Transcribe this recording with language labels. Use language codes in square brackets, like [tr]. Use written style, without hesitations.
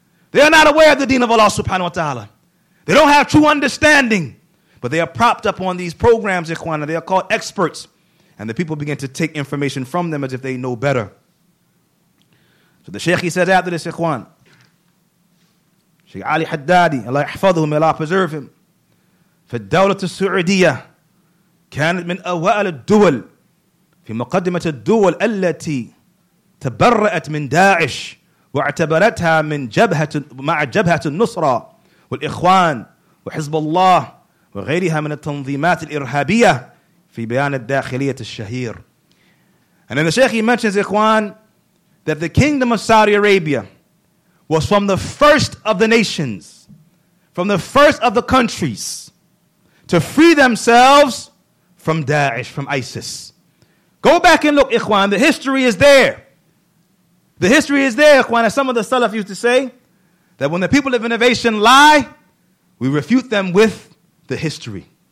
[en] They are not aware of the deen of Allah subhanahu wa ta'ala. They don't have true understanding. But they are propped up on these programs, Ikhwan, and they are called experts. And the people begin to take information from them as if they know better. So the Sheikh, he says after this, Ikhwan, Sheikh Ali Haddadi, Allah ihfadhu, may Allah preserve him. [ar] فالدولة السعودية كانت من أوائل الدول في مقدمة الدول التي تبرأت من داعش واعتبرتها من جبهة مع جبهة النصرة والإخوان وحزب الله وغيرها من التنظيمات الإرهابية في بيان الداخلية الشهير. [en] And then the Sheikh, he mentions, Ikhwan, that the Kingdom of Saudi Arabia was from the first of the nations, from the first of the countries, to free themselves from Daesh, from ISIS. Go back and look, Ikhwan, the history is there. The history is there, Ikhwan, as some of the Salaf used to say, that when the people of innovation lie, we refute them with the history.